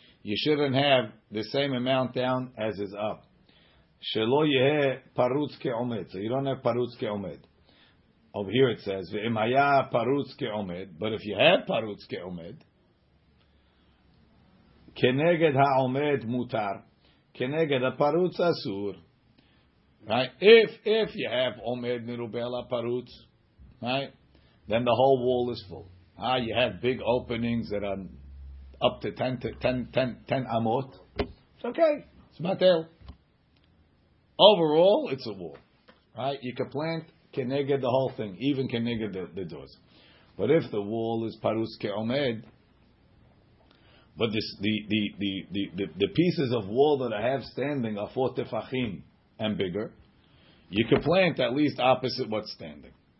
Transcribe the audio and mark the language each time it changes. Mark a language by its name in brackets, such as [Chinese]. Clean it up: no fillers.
[English] You shouldn't have the same amount down as is up. [Hebrew] שלא יהיה פרוץ כעומד. [English] So you don't have [Hebrew] פרוץ כעומד. [English] Over here it says, [Hebrew] ואם היה פרוץ כעומד, [English] but if you have [Hebrew] פרוץ כעומד, כנגד העומד מותר, כנגד הפרוץ אסור. Right? [English] If you have [Hebrew] עומד מרובל הפרוץ, [English] right? Then the whole wall is full. You have big openings that are up to 10 amot. It's okay. It's matel. Overall, it's a wall. Right? You can plant keneged the whole thing, even keneged the doors. But if the wall is parus ke'omed, but this, the pieces of wall that I have standing are four tefachim and bigger, you can plant at least opposite what's standing.